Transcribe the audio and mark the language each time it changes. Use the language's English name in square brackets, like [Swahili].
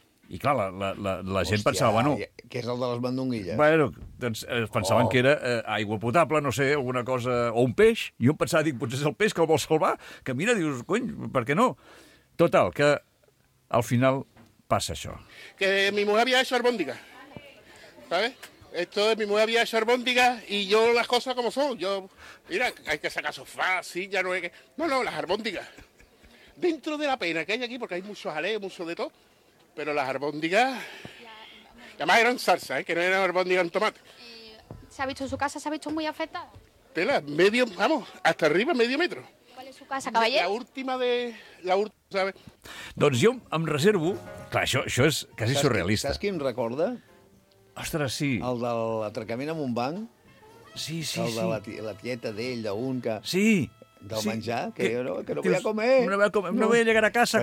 [Catalan] I clar, la gent pensava, bueno... Que és el de les mandonguilles. Bueno, doncs pensaven que era aigua potable, no sé, alguna cosa, o un peix. I jo em pensava, dic, potser és el peix que el vol salvar. Que mira, dius, cony, per què no? Total, que al final passa això. [Spanish] Que mi mujer había hecho albóndiga. ¿Sabes? Esto de mi mujer había hecho albóndiga y yo las cosas como son. Yo, mira, hay que sacar sofá, silla, no hay que... No, las albóndigas. Dentro de la pena que hay aquí, porque hay mucho jaleo, mucho de todo... Pero las albóndigas... Y además eran salsa, ¿eh? Que no eran albóndigas en tomate. ¿Se ha visto su casa? ¿Se ha visto muy afectada? Tela, medio... Vamos, hasta arriba, medio metro. ¿Cuál es su casa, caballero? La última de... La última, ¿sabes? [Catalan] Doncs jo em reservo... Clar, això és quasi surrealista. Saps qui em recorda? Ostres, sí. El de l'atracament en un banc. Sí, sí, el de sí. La tieta d'ell, d'un que... Sí. Del sí. menjar, que no vull comer. No vull comer, no. No vull llegar a casa